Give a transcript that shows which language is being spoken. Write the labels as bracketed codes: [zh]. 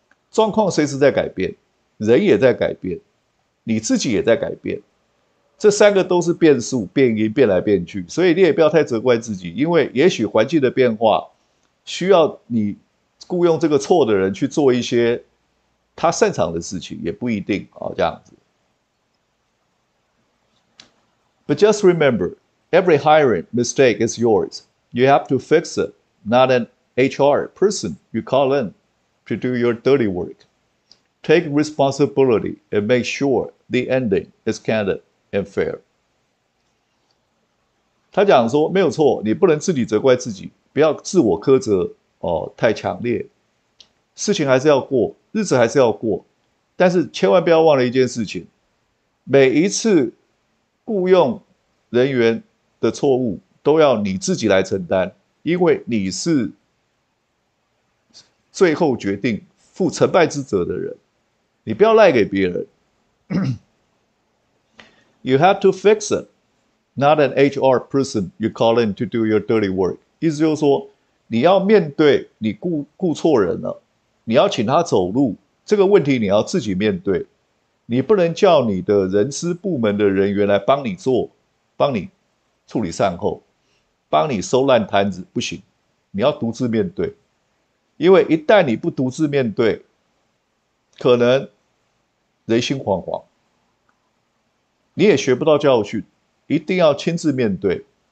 [zh] 状况随时在改变，人也在改变，你自己也在改变，这三个都是变数、变因、变来变去，所以你也不要太责怪自己，因为也许环境的变化需要你雇用这个错的人去做一些他擅长的事情，也不一定，这样子。 [en] But just remember, every hiring mistake is yours. You have to fix itNot an HR person you call in to do your dirty work. Take responsibility and make sure the ending is candid and fair. [zh] 他讲说没有错，你不能自己责怪自己，不要自我苛责，太强烈。事情还是要过，日子还是要过，但是千万不要忘了一件事情：每一次雇用人员的错误，都要你自己来承担。因为你是最后决定负成败之责的人，你不要赖给别人。 [en] You have to fix it, not an HR person you call in to do your dirty work. [zh] 意思就是说，你要面对你雇错人了，你要请他走路，这个问题你要自己面对，你不能叫你的人资部门的人员来帮你做，帮你处理善后。帮你收烂摊子不行，你要独自面对，因为一旦你不独自面对，可能人心惶惶，你也学不到教训，一定要亲自面对，